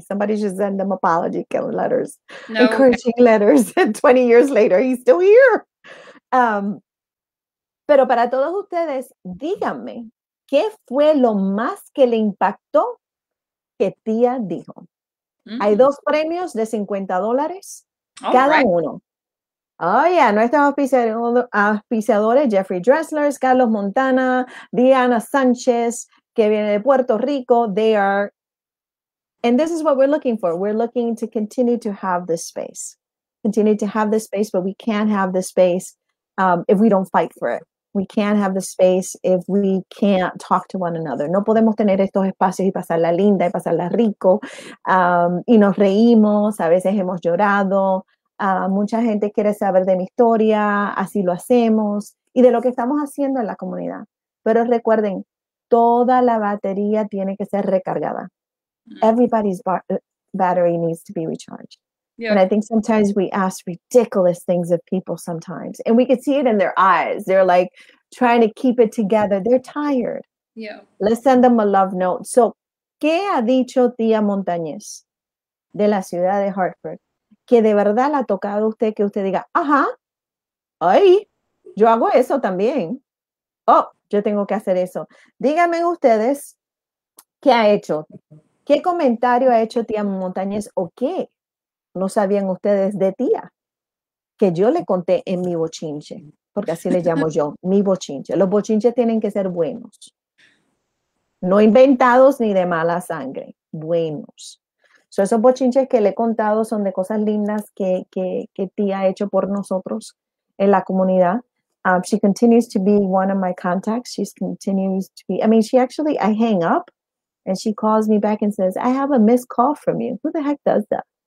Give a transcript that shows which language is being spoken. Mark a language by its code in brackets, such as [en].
[en] Somebody should send him apology letters, no, encouraging letters. 20 years later, he's still here. [es] Pero para todos ustedes, díganme, ¿qué fue lo más que le impactó que tía dijo? Mm-hmm. Hay dos premios de $50 cada uno. [en] Oh, yeah. [es] Nuestros auspiciadores, Jeffrey Dressler, Carlos Montana, Diana Sánchez, que viene de Puerto Rico, [en] they are, and this is what we're looking for. We're looking to continue to have this space. Continue to have this space, but we can't have this space if we don't fight for it. We can't have the space if we can't talk to one another. [es] No podemos tener estos espacios y pasarla linda y pasarla rico. Y nos reímos, a veces hemos llorado. Mucha gente quiere saber de mi historia, así lo hacemos. Y de lo que estamos haciendo en la comunidad. Pero recuerden, toda la batería tiene que ser recargada. [en] Everybody's battery needs to be recharged. Yeah. And I think sometimes we ask ridiculous things of people sometimes. And we can see it in their eyes. They're like trying to keep it together. They're tired. Yeah. Let's send them a love note. [es] So, ¿qué ha dicho tía Montañez de la ciudad de Hartford? ¿Que de verdad la ha tocado usted que usted diga, ajá, ay, yo hago eso también? Oh, yo tengo que hacer eso. Díganme ustedes, ¿qué ha hecho? ¿Qué comentario ha hecho tía Montañez o qué? No sabían ustedes de tía, que yo le conté en mi bochinche, porque así le llamo yo, mi bochinche. Los bochinches tienen que ser buenos, no inventados ni de mala sangre, buenos. So esos bochinches que le he contado son de cosas lindas que tía ha hecho por nosotros en la comunidad. [en] She continues to be one of my contacts. She continues to be, I mean, she actually, I hang up and she calls me back and says, I have a missed call from you. Who the heck does that?